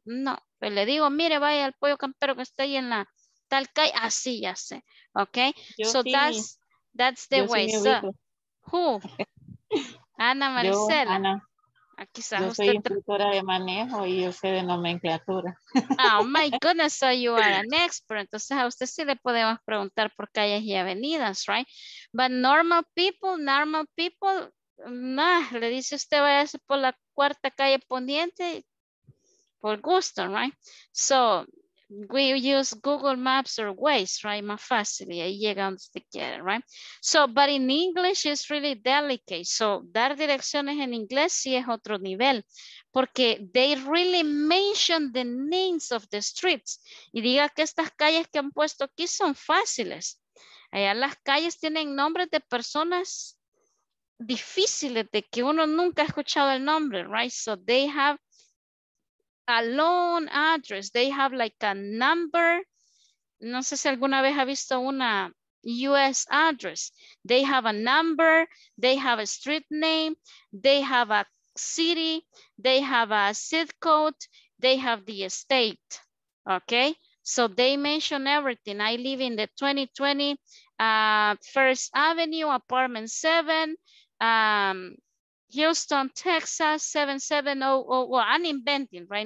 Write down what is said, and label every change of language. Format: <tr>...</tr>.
<es>No, pues le digo, mire, vaya al pollo campero que está ahí en la tal calle. Así ya sé, okay? Yo</es> <en>so</en> <es>sí,</es> <en>that's the way.</en> <es>Sí,</es> <en>so, who? Ana Marcela.</en> <es>Yo, Ana. Quizás yo soy usted instructora de manejo y yo sé de nomenclatura.</es> <en>Oh my goodness, so you are an expert.</en> <es>Entonces a usted sí le podemos preguntar por calles y avenidas, right? But normal people, nah, le dice usted vaya por la cuarta calle poniente, por gusto, right?</es> <en>So we use Google Maps or Waze, right?</en> <es>Más fácil, y ahí llega donde usted quiere, right?</es> <en>So, but in English, it's really delicate. So, dar direcciones en inglés sí es otro nivel, porque they really mention the names of the streets.</en> <es>Y diga que estas calles que han puesto aquí son fáciles. Allá las calles tienen nombres de personas difíciles, de que uno nunca ha escuchado el nombre, right? So, they have</es> <en>a long address. They have like a number.</en> <es>No sé si alguna vez ha visto una US address.</es> <en>They have a number, they have a street name, they have a city, they have a zip code, they have the state. Okay, so they mention everything. I live in the 2020 First Avenue, apartment 7, Houston, Texas, 770, well, I'm inventing, right?</en>